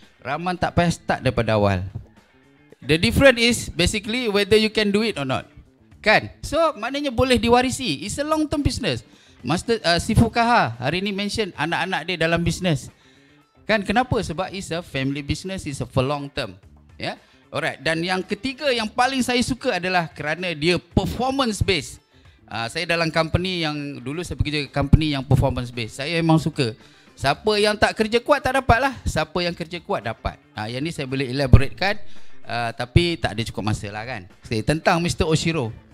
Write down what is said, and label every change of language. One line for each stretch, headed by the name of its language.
Malay: Rahman tak payah start daripada awal.
English: The difference is basically whether you can do it or not. Kan?
Malay: So, maknanya boleh diwarisi.
English: It's a long term business.
Malay: Master Sifu Kaha hari ni mention anak-anak dia dalam business. Kan kenapa?
English: Sebab it's a family business, it's a for long term. Yeah.
Malay: Alright, dan yang ketiga yang paling saya suka adalah kerana dia performance based. Saya dalam company yang dulu saya bekerja company yang performance based. Saya memang suka. Siapa yang tak kerja kuat tak dapat lah. Siapa yang kerja kuat dapat. Yang ni saya boleh elaboratekan tapi tak ada cukup masa lah kan. Okay, tentang Mr. Oshiro.